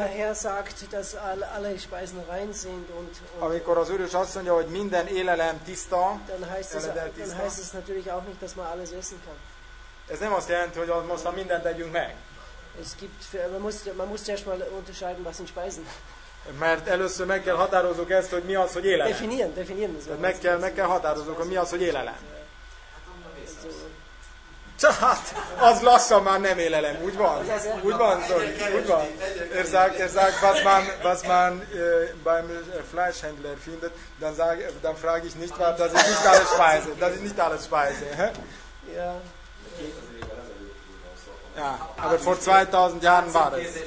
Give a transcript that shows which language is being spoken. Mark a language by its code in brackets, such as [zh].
[de] Herr sagt, dass alle Speisen rein sind und [hu] amikor az Úrus azt mondja, hogy minden élelem tiszta, [de] dann heißt es natürlich auch nicht, dass man alles essen kann. [hu] Ez nem azt jelenti, hogy most már mindent tegyünk meg. [de] Es gibt, man muss erst mal unterscheiden, was sind Speisen. [hu] Mert először meg kell határozzuk ezt, hogy mi az, hogy élelem. [de] Definieren. [hu] Tehát szóval meg kell határozzuk, hogy mi az, hogy élelem. Tehát, az lassan már nem élelem, úgy van? Úgy van, Zoli? Úgy van? [de] Er sagt, was man beim Fleischhändler findet, dann frage ich nicht, was, das ist nicht alles Speise. Ja, aber vor 2000 Jahren war das.